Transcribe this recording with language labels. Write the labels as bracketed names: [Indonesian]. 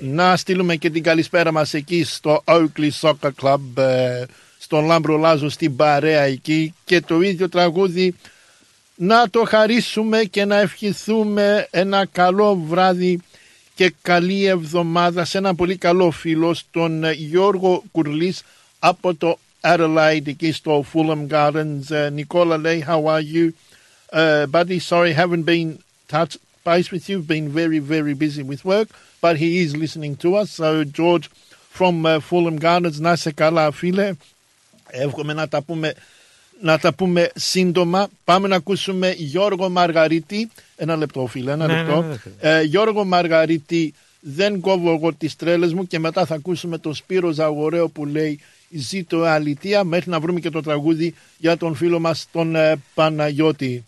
[Greek] Να στείλουμε και την καλησπέρα μας εκεί στο Oakley Soccer Club, στον Λάμπρο Λάζο, στην παρέα εκεί, και το ίδιο τραγούδι να το χαρίσουμε και να ευχηθούμε ένα καλό βράδυ και καλή εβδομάδα σε ένα πολύ καλό φίλο, τον Γιώργο Κουρλής από το Adelaide, Gisto, Fulham Gardens. [English] Nicola Lee, how are you? Buddy, sorry, haven't been touched base with you. Been very, very busy with work, but he is listening to us. So, George from Fulham Gardens, [Greek] να σε καλά, φίλε. Εύχομαι να τα πούμε σύντομα. Πάμε να ακούσουμε Γιώργο Μαργαρίτη. Ένα λεπτό, φίλε, ένα λεπτό. Γιώργο Μαργαρίτη, δεν κόβω εγώ τις τρέλες μου, και μετά θα ακούσουμε το Σπύρο Ζαγοραίο που λέει ζήτω αλητία, μέχρι να βρούμε και το τραγούδι για τον φίλο μας τον Παναγιώτη.